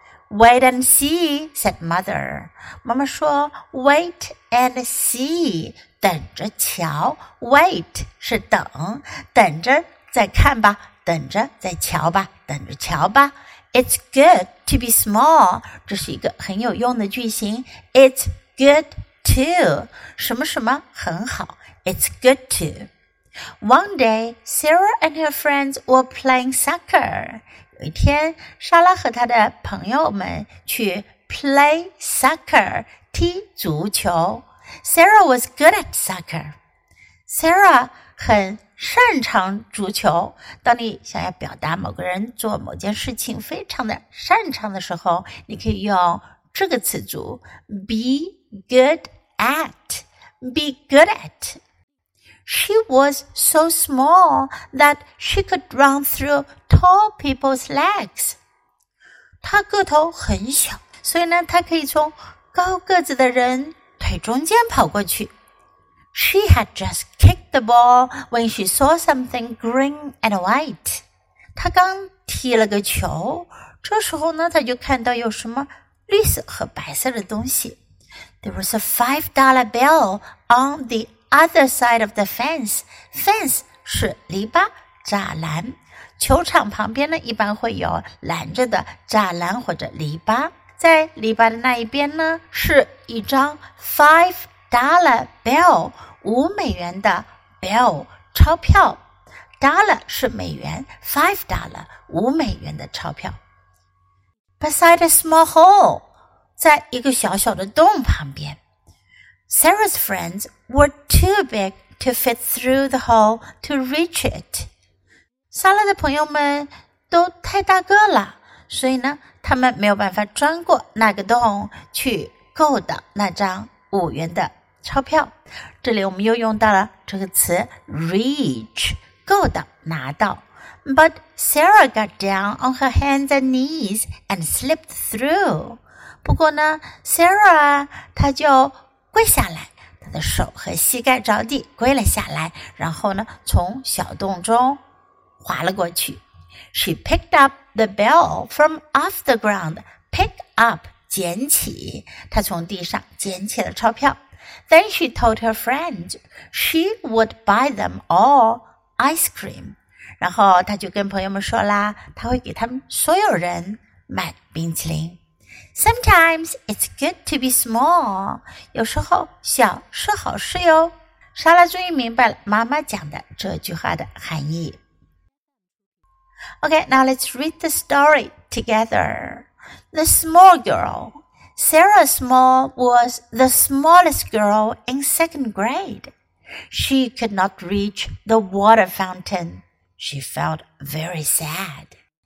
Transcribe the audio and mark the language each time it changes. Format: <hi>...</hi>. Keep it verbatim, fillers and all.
<en>Wait and see said mother</en> <zh>妈妈说</zh> <en>Wait and see</en> <zh>等着瞧</zh> <en>Wait</en> <zh>是等等着再看吧等着再瞧吧等着瞧吧</zh> <en>It's good to be small</en> <zh>这是一个很有用的句型</zh> <en>It's good to</en> <zh>什么什么很好</zh> <en>It's good to One day, Sarah and her friends were playing soccer.</en> <zh>有一天，莎拉和她的朋友们去</zh> <en>play soccer,</en> <zh>踢足球。</zh> <en>Sarah was good at soccer.</en> <zh>Sarah 很擅长足球。当你想要表达某个人做某件事情非常的擅长的时候，你可以用这个词组</zh> <en>be good at, be good at. She was so small that she could run through tall people's legs.</en> <zh>她个头很小，所以呢，她可以从高个子的人腿中间跑过去。</zh> <en>She had just kicked the ball when she saw something green and white.</en> <zh>她刚踢了个球，这时候呢，她就看到有什么绿色和白色的东西。</zh> <en>There was a five dollar bill on the other side of the fence.</en> <zh>Fence 是篱笆栅栏。球场旁边呢一般会有拦着的栅栏或者篱笆。在篱笆的那一边呢是一张</zh> <en>five dollar bill,</en> <zh>五美元的 bill, 钞票。 dollar 是美元 ,</zh> <en>five dollar,</en> <zh>五美元的钞票。</zh> <en>Beside a small hole,</en> <zh>在一个小小的洞旁边。</zh> <en>Sarah's friends were too big to fit through the hole to reach it.</en> <zh>莎拉的朋友们都太大个了，所以呢，他们没有办法钻过那个洞去够到那张五元的钞票。这里我们又用到了这个词 reach， 够到，拿到。</zh> <en>But Sarah got down on her hands and knees and slipped through.</en> <zh>不过呢 Sarah 她就跪下来，她的手和膝盖着地跪了下来，然后呢从小洞中滑了过去。</zh> <en>She picked up the bell from off the ground. Pick up,</en> <zh>捡起，她从地上捡起了钞票。</zh> <en>Then she told her friends she would buy them all ice cream.</en> <zh>然后她就跟朋友们说啦，她会给他们所有人买冰淇淋。</zh> <en>Sometimes it's good to be small.</en> <zh>有时候小是好事哟。莎拉终于明白了妈妈讲的这句话的含义。</zh> <en>Okay, now let's read the story together. The small girl. Sarah Small was the smallest girl in second grade. She could not reach the water fountain. She felt very sad.</en>